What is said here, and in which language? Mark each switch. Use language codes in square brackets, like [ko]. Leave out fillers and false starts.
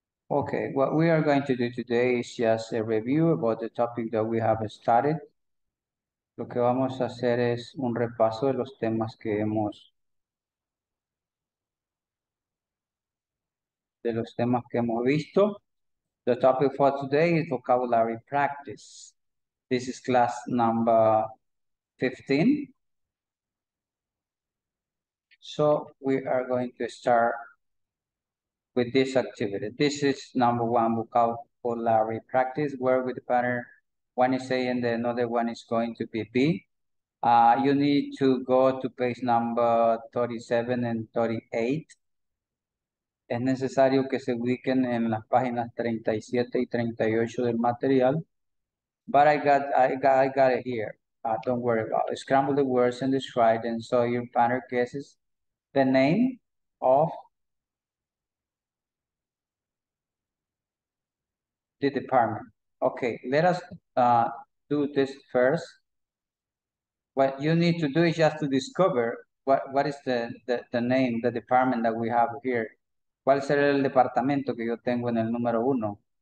[en] Okay, what we are going to do today is just a review about the topic that we have started. [es] Lo que vamos a hacer es un repaso de los temas que hemos visto. [en] The topic for today is vocabulary practice. This is class number 15. So we are going to start with this activity. This is number one vocabulary practice where with the pattern one is A and then another one is going to be B. You need to go to page number 37 and 38. [es] Es necesario que se ubiquen en las páginas 37 y 38 del material. [en] But I got it here. Don't worry about it. Scramble the words and describe them so your partner guesses the name of the department. Okay, let us do this first. What you need to do is just to discover what is the name, the department that we have here. [es] ¿Cuál será el departamento que yo tengo en el número uno?